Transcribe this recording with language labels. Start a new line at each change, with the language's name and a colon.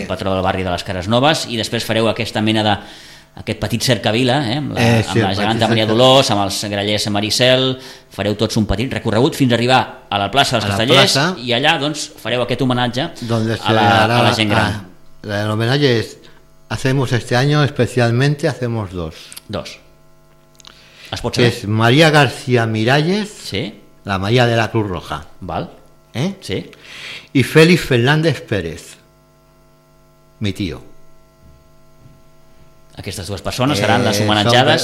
Catalan: sí, patró del barri de les Cares Noves, i després fareu aquesta mena de aquest petit cercavila, amb la geganta Maria Dolors, amb els grallers Maricel, fareu tots un petit recorregut fins a arribar a la plaça dels Castellers, i allà doncs fareu aquest homenatge a la gent gran. L'homenatge és,
Spanish: hacemos este año especialmente, hacemos dos.
Catalan: Es pot saber?
Spanish: Es María García Miralles, sí, la María de la Cruz Roja.
Catalan: Val. Sí.
Spanish: Y Félix Fernández Pérez, mi tío.
Catalan: Aquestes dues persones seran les homenatjades.